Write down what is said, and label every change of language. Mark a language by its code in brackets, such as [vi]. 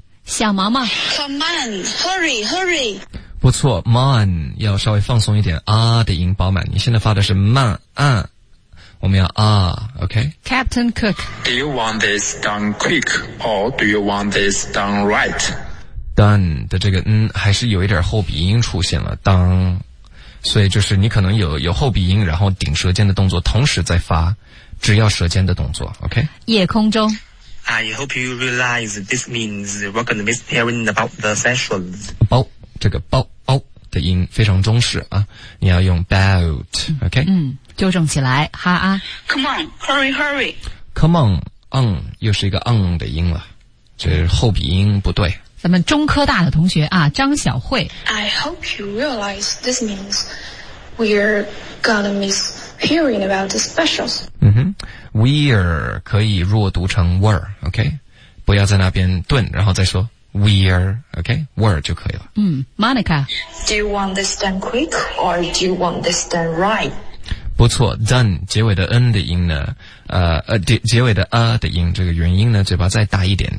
[zh] 小毛毛 [en] Come on, hurry, hurry! [zh] 不错 ,man, 要稍微放松一点啊的音饱满你现在发的是慢啊我们要啊 , [en] okay? Captain Cook, do you want this done quick, or do you want this done right? [zh] done 的这个还是有一点后鼻音出现了当所以就是你可能有后鼻音然后顶舌尖的动作同时再发只要舌尖的动作 OK 夜空中 [en] I hope you realize this means we're gonna miss hearing about the specials [zh] 包这个包包的音非常中式啊你要用 [en] about OK [zh] 纠正起来哈啊 [en] Come on hurry hurry Come on [zh] 又是一个 的音了这后鼻音不对咱们中科大的同学啊张小慧 [en] I hope you realize this means we're gonna miss hearing about the specials、 [zh] We're 可以弱读成 were OK 不要在那边顿然后再说 [en] we're OK were [zh] 就可以了、 [en] Monica Do you want this done quick or do you want this done right [zh] 不错 ，done 结尾的 n 的音呢，结尾的 a 的音，这个元音呢，嘴巴再大一点。